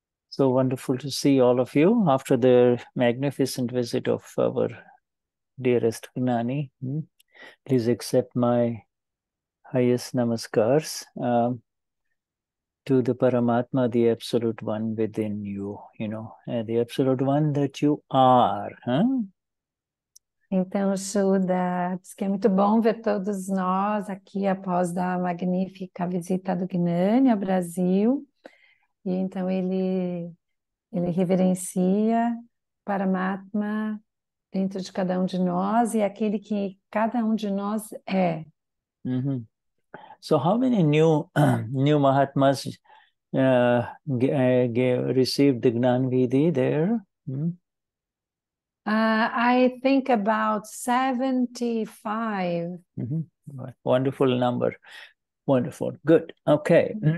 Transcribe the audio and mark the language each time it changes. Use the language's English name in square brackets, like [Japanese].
[English] So wonderful to see all of you after the magnificent visit of our dearest Gnani. Please accept my highest namaskars to the Paramatma, the Absolute One within you, the Absolute One that you are, huh? [Portuguese] Então, Shuddha, diz que é muito bom ver todos nós aqui após da magnífica visita do Gnani ao Brasil. E então ele reverencia Paramatma dentro de cada um de nós e aquele que cada um de nós é. [English] So how many new Mahatmas received the Gnanvidhi there? I think about 75. Wonderful number. Wonderful. Good. Okay.